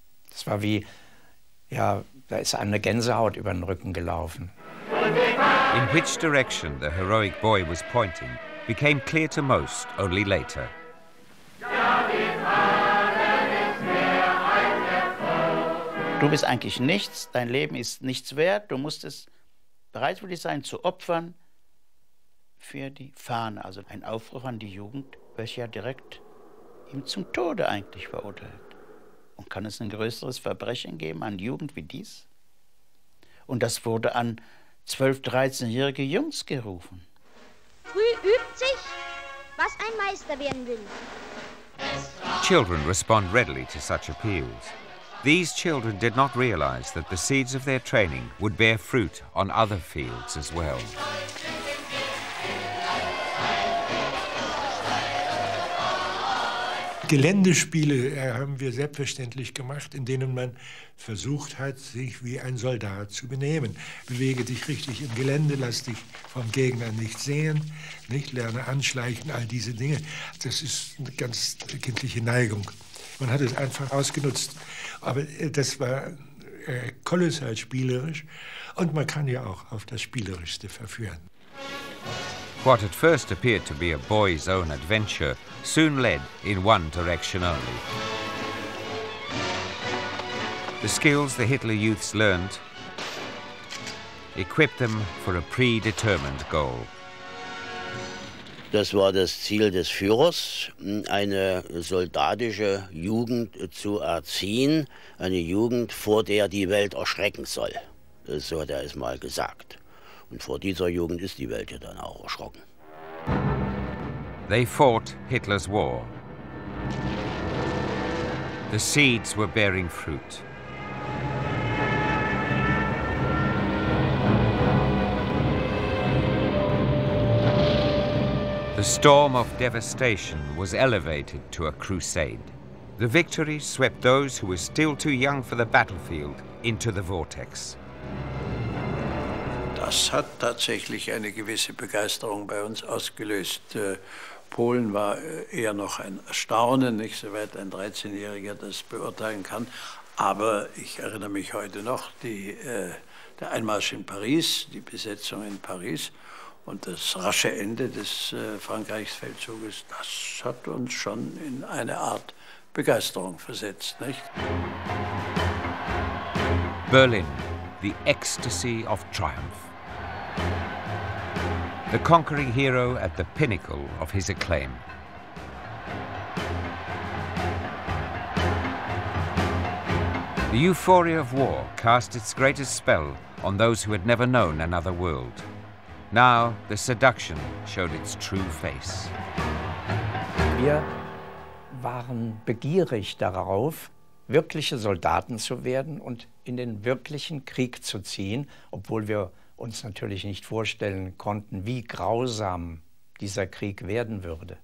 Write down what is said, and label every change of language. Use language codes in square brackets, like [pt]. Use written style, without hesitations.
[de] Das war wie, ja, da ist eine Gänsehaut über den Rücken gelaufen. [en] In which direction the heroic boy was pointing became clear to most only later. [de] Ja, die Fahne ist mehr als der Foto. Du bist eigentlich nichts, dein Leben ist nichts wert, du musst es bereitwillig sein zu opfern. Für die Fahne, also ein Aufruf an die Jugend, welche ja direkt ihm zum Tode eigentlich verurteilt. Und kann es ein größeres Verbrechen geben an Jugend wie dies? Und das wurde an 12-, 13-jährige Jungs gerufen. Früh übt sich, was ein Meister werden will. [en] Children respond readily to such appeals. These children did not realize that the seeds of their training would bear fruit on other fields as well. [de] Geländespiele haben wir selbstverständlich gemacht, in denen man versucht hat, sich wie ein Soldat zu benehmen. Bewege dich richtig im Gelände, lass dich vom Gegner nicht sehen, nicht lerne anschleichen, all diese Dinge. Das ist eine ganz kindliche Neigung. Man hat es einfach ausgenutzt. Aber das war kolossal spielerisch und man kann ja auch auf das Spielerischste verführen. [en] What at first appeared to be a boy's own adventure soon led in one direction only. The skills the Hitler youths learned equipped them for a predetermined goal. [de] Das war das Ziel des Führers, eine soldatische Jugend zu erziehen, eine Jugend, vor der die Welt erschrecken soll. So hat er es mal gesagt. Und vor dieser Jugend ist die Welt ja dann auch erschrocken. [en] They fought Hitler's war. The seeds were bearing fruit. The storm of devastation was elevated to a crusade. The victory swept those who were still too young for the battlefield into the vortex. [de] Das hat tatsächlich eine gewisse Begeisterung bei uns ausgelöst. Polen war eher noch ein Erstaunen, nicht so weit ein 13-Jähriger das beurteilen kann. Aber ich erinnere mich heute noch, der Einmarsch in Paris, die Besetzung in Paris und das rasche Ende des Frankreichsfeldzuges, das hat uns schon in eine Art Begeisterung versetzt. Nicht? [en] Berlin, the ecstasy of triumph. The conquering hero at the pinnacle of his acclaim. The euphoria of war cast its greatest spell on those who had never known another world. Now the seduction showed its true face. [de] Wir waren begierig darauf, wirkliche Soldaten zu werden und in den wirklichen Krieg zu ziehen, obwohl wir uns natürlich nicht vorstellen konnten, wie grausam dieser Krieg werden würde.